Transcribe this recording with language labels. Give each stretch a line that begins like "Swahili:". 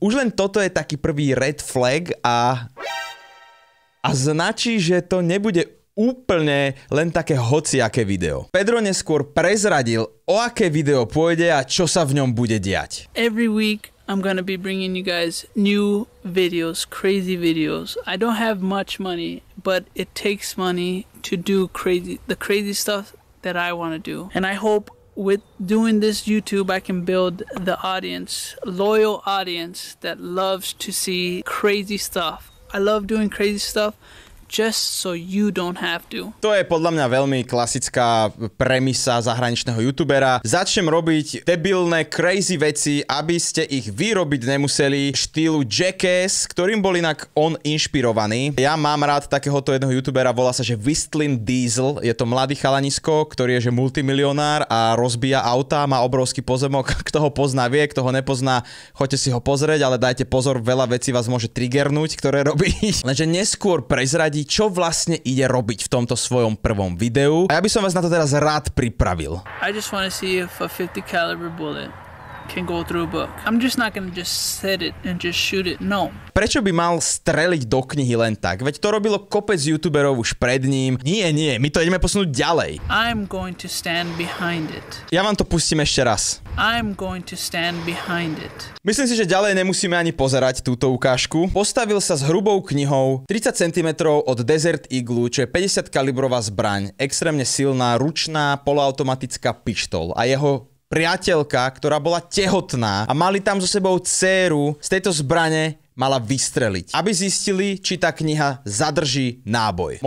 Slovak: Už len toto je taký prvý red flag a značí, že to nebude úplne len také hociaké video. Pedro neskôr prezradil, o aké video pôjde a čo sa v ňom bude diať.
English: Every week I'm gonna be bringing you guys new videos, crazy videos. I don't have much money, but it takes money to do the crazy stuff that I want to do. And I hope with doing this YouTube, I can build the audience, loyal audience that loves to see crazy stuff. I love doing crazy stuff just so you don't have to.
Slovak: To je podľa mňa veľmi klasická premisa zahraničného youtubera. Začnem robiť debilné, crazy veci, aby ste ich vyrobiť nemuseli, štýlu Jackass, ktorým bol inak on inšpirovaný. Ja mám rád takéhoto jedného youtubera, volá sa, že Whistling Diesel. Je to mladý chalanisko, ktorý je, že multimilionár a rozbíja auta, má obrovský pozemok. Kto ho pozná, vie, kto ho nepozná, choďte si ho pozrieť, ale dajte pozor, veľa vecí vás môže triggernúť, ktoré robí. Lenže neskôr prezrať, čo vlastne ide robiť v tomto svojom prvom videu. A ja by som vás na to teraz rád pripravil.
English: I just want to see if a 50 caliber bullet can go through a book. I'm just not going to just set it and just shoot it. No.
Slovak: Prečo by mal streliť do knihy len tak? Veď to robilo kopec youtuberov už pred ním. Nie, nie, my to ideme posunúť ďalej.
English: I'm going to stand behind it.
Slovak: Ja vám to pustím ešte raz.
English: I'm going to stand behind it.
Slovak: Myslím si, že ďalej nemusíme ani pozerať túto ukážku. Postavil sa s hrubou knihou 30 cm od Desert Eagle, čo je 50 kalibrová zbraň, extrémne silná, ručná, poloautomatická pištoľ a jeho priateľka, ktorá bola tehotná a mali tam so sebou dcéru, z tejto zbrane mala vystreliť, aby zistili, či tá kniha zadrží náboj.